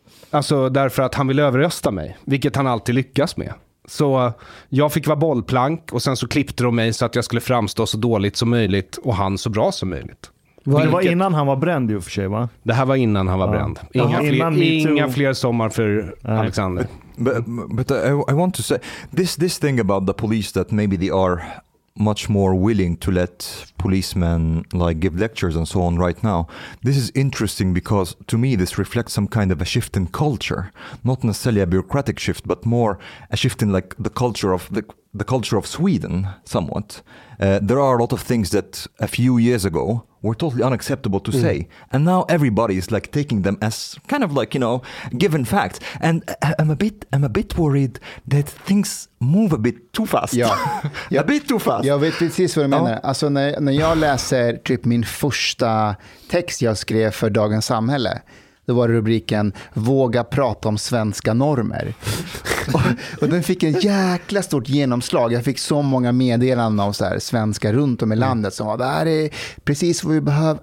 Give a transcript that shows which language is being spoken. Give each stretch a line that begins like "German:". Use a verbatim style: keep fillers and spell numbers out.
Swedish: Alltså därför att han vill överrösta mig, vilket han alltid lyckas med. Så jag fick vara bollplank och sen så klippte de mig så att jag skulle framstå så dåligt som möjligt och han så bra som möjligt. Vilket... Det var innan han var bränd ju för sig, va? Det här var innan han var ja. Bränd. Inga, fler, innan inga fler sommar för ja. Alexander.
English: But, but I, I want to say this, this thing about the police that maybe they are much more willing to let policemen like give lectures and so on right now. This is interesting because to me this reflects some kind of a shift in culture, not necessarily a bureaucratic shift, but more a shift in like the culture of the, the culture of Sweden somewhat. Uh, there are a lot of things that a few years ago were totally unacceptable to mm. say, and now everybody is like taking them as kind of like, you know, given fact. And I, I'm a bit I'm a bit worried that things move a bit too fast.
Swedish: Ja.
English: a bit too fast.
Swedish: Jag vet precis vad du menar. Ja. Alltså när, när jag läser typ min första text jag skrev för Dagens Samhälle, då var det rubriken "Våga prata om svenska normer". Och, och den fick en jäkla stort genomslag. Jag fick så många meddelanden av så här, svenskar runt om i landet som var, det här är precis vad vi behöver.